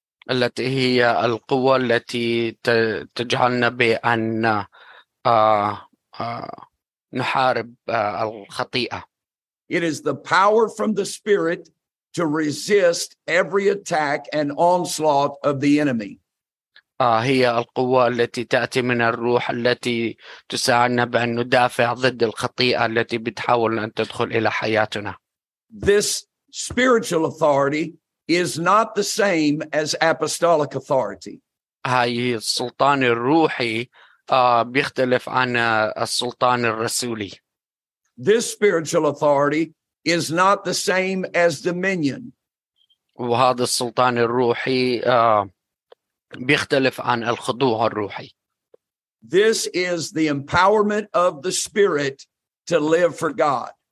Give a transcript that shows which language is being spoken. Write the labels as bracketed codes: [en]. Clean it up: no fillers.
[ar] التي هي القوة التي تجعلنا بأن نحارب الخطيئة. [en] It is the power from the Spirit to resist every attack and onslaught of the enemy. [ar] هي القوة التي تأتي من الروح التي تساعدنا بأن ندافع ضد الخطيئة التي بتحاول أن تدخل إلى حياتنا. [en] This spiritual authority is not the same as apostolic authority. [ar] هاي السلطان الروحي بيختلف عن السلطان الرسولي. [en] This spiritual authority is not the same as dominion. [ar] وهذا السلطان الروحي بيختلف عن الخضوع الروحي. [en] This is the empowerment of the spirit to live for God.